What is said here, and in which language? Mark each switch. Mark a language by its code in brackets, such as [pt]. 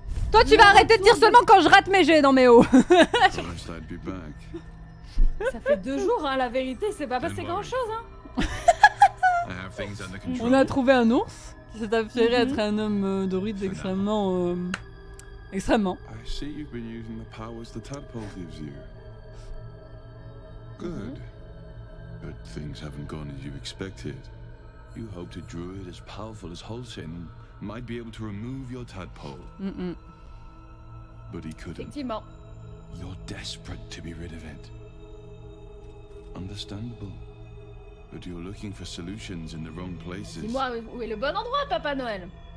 [fr] Toi, tu vas arrêter de dire seulement quand je rate mes jets dans mes hauts. Ça fait deux jours, hein, la vérité, c'est pas passé grand-chose, hein. On a trouvé un ours qui s'est affairé à être un homme de rite extrêmement. Extrêmement. [en] I see you've been using the powers the tadpole gives you. Good. Mm-hmm. But things haven't gone as you expected. You hoped a druid as powerful as Holsin might be able to remove your tadpole. Mm-mm. But he couldn't. [fr] Effectivement. [en] You're desperate to be rid of it. Understandable. But you're looking for solutions in the wrong places. [fr] Dis-moi où est le bon endroit, Papa Noël.